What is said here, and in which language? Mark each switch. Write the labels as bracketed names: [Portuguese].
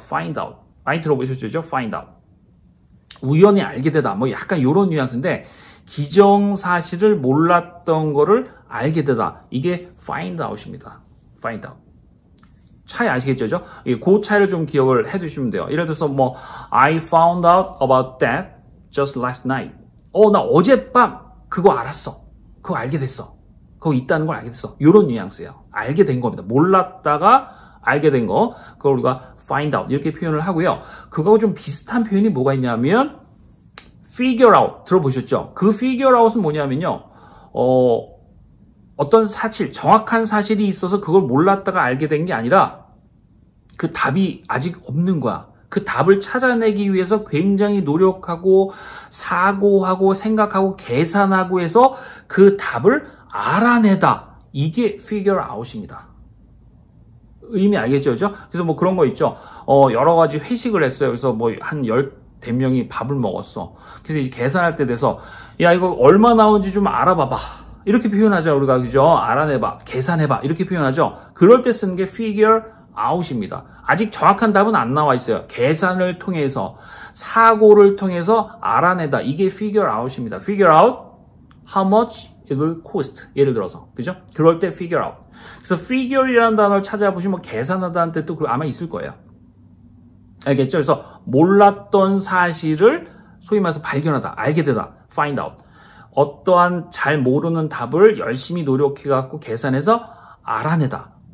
[Korean] find out. 많이 들어보셨죠? find out. 우연히 알게 되다. 뭐 약간 이런 뉘앙스인데 기정사실을 몰랐던 거를 알게 되다. 이게 find out입니다. find out. 차이 아시겠죠? 그 차이를 좀 기억을 해주시면 돼요. 예를 들어서 뭐 [English] I found out about that just last night. [Korean] 나 어젯밤 그거 알았어. 그거 알게 됐어. 그거 있다는 걸 알게 됐어. 이런 뉘앙스예요. 알게 된 겁니다. 몰랐다가 알게 된 거. 그걸 우리가 find out 이렇게 표현을 하고요. 그거하고 좀 비슷한 표현이 뭐가 있냐면 figure out. 들어보셨죠? 그 figure out은 뭐냐면요. 어떤 사실, 정확한 사실이 있어서 그걸 몰랐다가 알게 된 게 아니라 그 답이 아직 없는 거야. 그 답을 찾아내기 위해서 굉장히 노력하고 사고하고 생각하고 계산하고 해서 그 답을 알아내다. 이게 figure out입니다. 의미 알겠죠? 그래서 뭐 그런 거 있죠. 여러 가지 회식을 했어요. 그래서 뭐 한 10명이 밥을 먹었어. 그래서 이제 계산할 때 돼서 야 이거 얼마 나오는지 좀 알아봐봐. 이렇게 표현하죠. 우리가 그죠? 알아내봐. 계산해봐. 이렇게 표현하죠. 그럴 때 쓰는 게 figure out입니다. 아직 정확한 답은 안 나와 있어요. 계산을 통해서, 사고를 통해서 알아내다. 이게 figure out입니다. [English] Figure out how much it will cost. [Korean] 예를 들어서. 그죠? 그럴 때 figure out. 그래서 figure이라는 단어를 찾아보시면 계산하다는 뜻도 아마 있을 거예요. 알겠죠? 그래서 몰랐던 사실을 소위 말해서 발견하다. 알게 되다. Find out. 어떠한 잘 모르는 답을 열심히 노력해갖고 계산해서 알아내다.